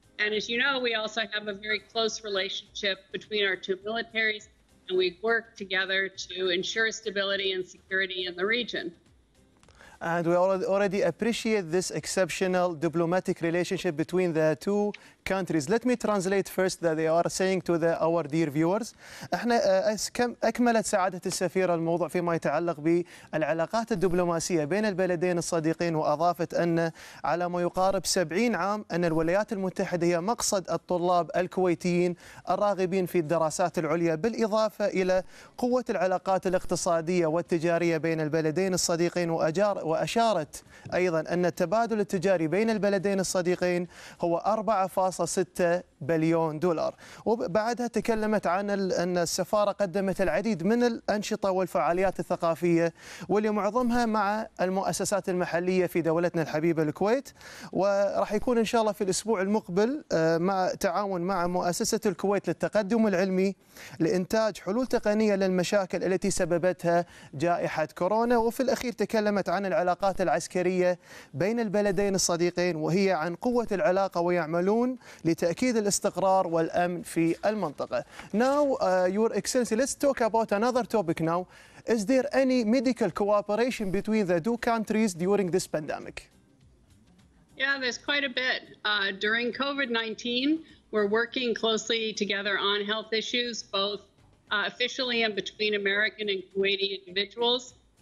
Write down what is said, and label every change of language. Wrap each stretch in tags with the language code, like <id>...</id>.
<en>And as you know, we also have a very close relationship between our two militaries, and we work together to ensure stability and security in the region. And we already appreciate this exceptional diplomatic relationship between the two countries. Let me translate first that they are saying to our dear viewers.</en> <ar>احنا اكملت سعادة السفيرة الموضوع فيما يتعلق بالعلاقات الدبلوماسية بين البلدين الصديقين، وأضافت أن على ما يقارب 70 عام أن الولايات المتحدة هي مقصد الطلاب الكويتيين الراغبين في الدراسات العليا، بالإضافة إلى قوة العلاقات الاقتصادية والتجارية بين البلدين الصديقين. وأشارت أيضا أن التبادل التجاري بين البلدين الصديقين هو 4.6 بليون دولار. وبعدها تكلمت عن أن السفارة قدمت العديد من الأنشطة والفعاليات الثقافية، واللي معظمها مع المؤسسات المحلية في دولتنا الحبيبة الكويت. وراح يكون إن شاء الله في الأسبوع المقبل مع تعاون مع مؤسسة الكويت للتقدم العلمي لإنتاج حلول تقنية للمشاكل التي سببتها جائحة كورونا. وفي الأخير تكلمت عن العلاقات العسكرية بين البلدين الصديقين، وهي عن قوة العلاقة، ويعملون لتأكيد الاستقرار والأمن في المنطقة.</ar> <en>Now, Your Excellency, let's talk about another topic now. Is there any medical cooperation between the two countries during this pandemic? Yeah, there's quite a bit. During COVID-19, we're working closely together on health issues, both officially and between American and Kuwaiti individuals.</en>